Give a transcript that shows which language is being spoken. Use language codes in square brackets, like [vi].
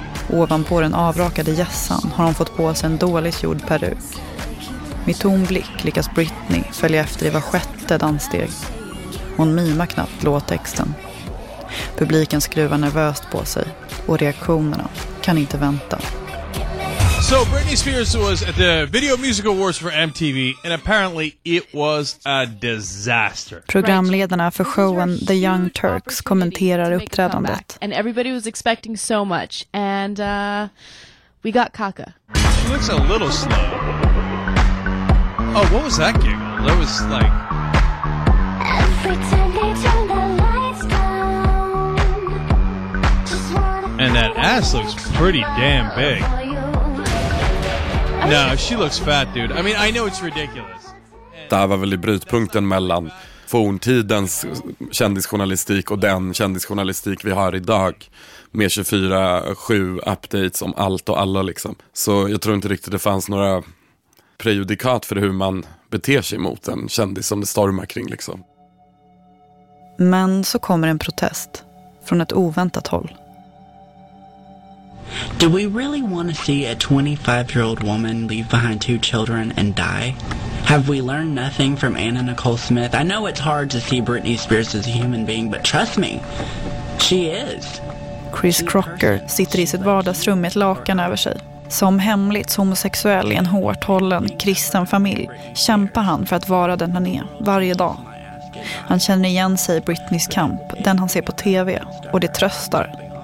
[sv] Ovanpå den avrakade gässan har hon fått på sig en dåligt gjord peruk. Med tom blick lyckas Britney följa efter i var sjätte danssteg. Hon mimar knappt låttexten. Publiken skruvar nervöst på sig och reaktionerna kan inte vänta. [en] So Britney Spears was at the Video Music Awards for MTV and apparently it was a disaster. [sv] Programledarna för showen The Young Turks kommenterar uppträdandet. [en] And everybody was expecting so much and we got Kaka. She looks a little slow. Oh, what was that giggle? That was like and that ass looks pretty damn big. No, she looks fat, dude. I mean, I know it's ridiculous. [sv] Det här var väl i brytpunkten mellan forntidens kändisjournalistik och den kändisjournalistik vi har idag med 24/7 updates om allt och alla liksom. Så jag tror inte riktigt det fanns några prejudikat för hur man beter sig mot en kändis som det stormar kring liksom. Men så kommer en protest från ett oväntat håll. [en] Do we really want to see a 25-year-old woman leave behind two children and die? Have we learned nothing from Anna Nicole Smith? I know it's hard to see Britney Spears as a human being, but trust me, she is. [sv] Chris Crocker sitter i sitt vardagsrum med ett lakan över sig. Som hemligt homosexuell i en hårt hållen kristen familj kämpar han för att vara den han är varje dag. Han känner igen sig i Britneys kamp, den han ser på TV, och det tröstar.